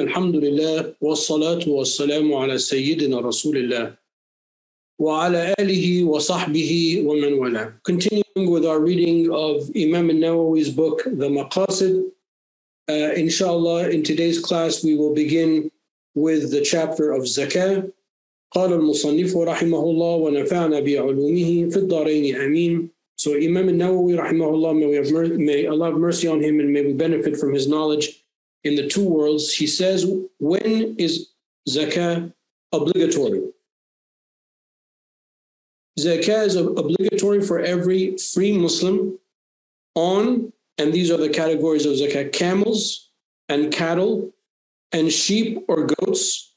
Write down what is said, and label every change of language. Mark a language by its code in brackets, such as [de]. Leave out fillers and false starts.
[ar] الحمد لله والصلاة والسلام على سيدنا رسول الله وعلى آله وصحبه ومن والاه. [en] Continuing with our reading of Imam al-Nawawi's book, The Maqasid. Inshallah, in today's class, we will begin with the chapter of Zakah. [ar] قال المصنف رحمه الله ونفعنا بعلومه في الدارين آمين. [en] So Imam al-Nawawi [ar] رحمه الله, [en] may Allah have mercy on him and may we benefit from his knowledge in the two worlds. He says, when is zakah obligatory? Zakah is obligatory for every free Muslim on, and these are the categories of zakah, camels and cattle and sheep or goats.